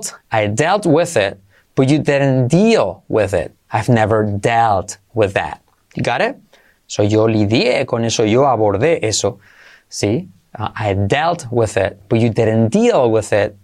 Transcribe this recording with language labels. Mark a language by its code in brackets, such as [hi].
[en] I dealt with it, but you didn't deal with it. I've never dealt with that. You got it? [es] So yo lidié con eso, yo abordé eso. ¿Sí? [en] I dealt with it, but you didn't deal with it.